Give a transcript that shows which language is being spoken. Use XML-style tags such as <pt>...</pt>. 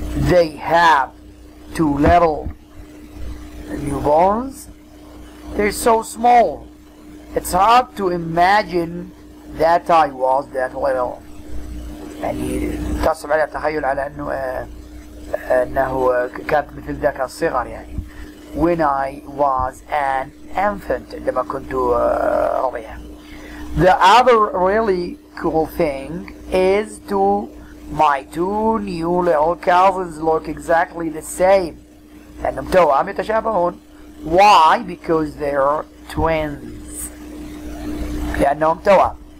<en>They have two little newborns. They're so small. It's hard to imagine that I was that little.</en> <ar>يعني تصعب على التخيل على انه كانت مثل ذاك الصغر يعني.</ar> <en>When I was an infant,</en> <ar>عندما كنت رضيع.</ar> <en>The other really cool thing is to my two new little cousins look exactly the same.</en> <ar>لأنهم توأم يتشابهون.</ar> <en>Why? Because they're twins.</en> <ar>لأنهم توأم.</ar>